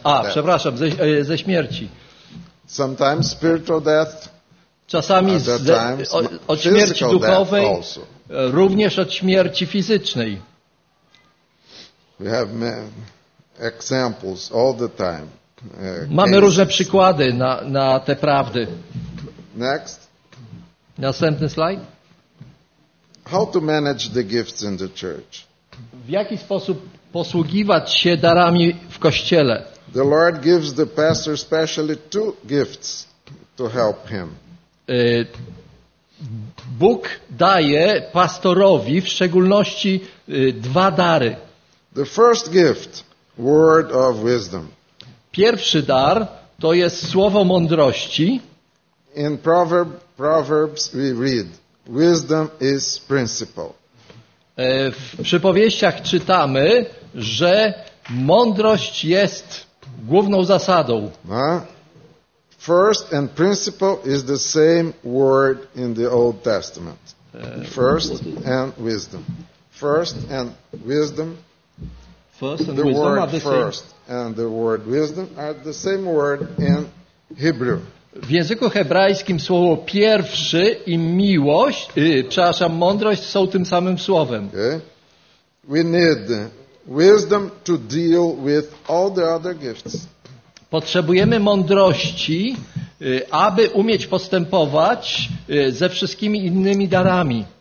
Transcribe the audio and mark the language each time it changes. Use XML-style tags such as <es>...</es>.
<pl>Przepraszam, ze śmierci.</pl> <en>Sometimes spiritual death.</en> <pl>Czasami od śmierci duchowej, również od śmierci fizycznej.</pl> <en>We have examples all the time.</en> <pl>Mamy różne przykłady na te prawdy.</pl> <en>Next.</en> <pl>Następny slajd.</pl> <en>How to manage the gifts in the church?</en> <pl>W jaki sposób posługiwać się darami w kościele?</pl> <en>The Lord gives the pastor specially two gifts to help him.</en> <pl>Bóg daje pastorowi w szczególności dwa dary.</pl> <en>The first gift, word of wisdom.</en> <pl>Pierwszy dar to jest słowo mądrości.</pl> <en>In Proverbs we read, wisdom is principle.</en> <pl>W przypowieściach czytamy, że mądrość jest główną zasadą.</pl> <en>First and principle is the same word in the Old Testament. First and wisdom. First and wisdom. First and the wisdom word are the first same. And the word wisdom are the same word in Hebrew.</en> <pl>W języku hebrajskim słowo pierwszy i miłość, przepraszam, mądrość są tym samym słowem.</pl> <en>Okay. We need wisdom to deal with all the other gifts.</en> <pl>Potrzebujemy mądrości, aby umieć postępować ze wszystkimi innymi darami.</pl>